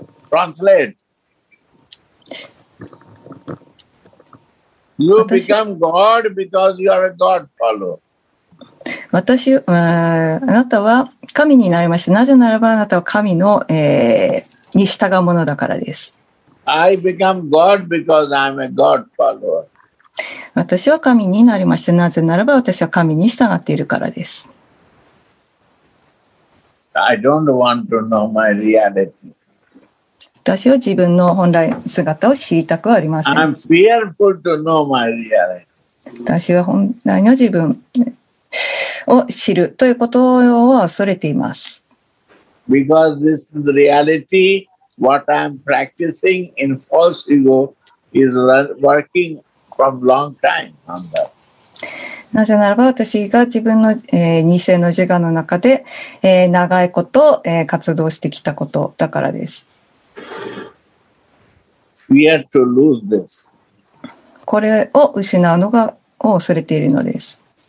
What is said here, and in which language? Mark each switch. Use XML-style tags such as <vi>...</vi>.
<en>Translate. You become God because you are a God follower.</en> <ja>私、あなたは神になりました。なぜならばあなたは神の、に従うものだからです。</ja> <en>I become God because I'm a God follower.</en> <ja>私は神になりました。なぜならば私は神に従っているからです。</ja> <en>I don't want to know my reality.</en> <ja>私は自分の本来姿を知りたくはありません。</ja> <en>I'm fearful to know my reality.</en> <ja>私は本来の自分を知るということを恐れています。</ja> <en>Because this is the reality, what I'm practicing in false ego is working from long time on that.</en> <ja>なぜならば私が自分の、偽の自我の中で、長いこと、活動してきたことだからです。</ja> <en>Fear to lose this.</en> <ja>これを失うのがを恐れているのです。</ja>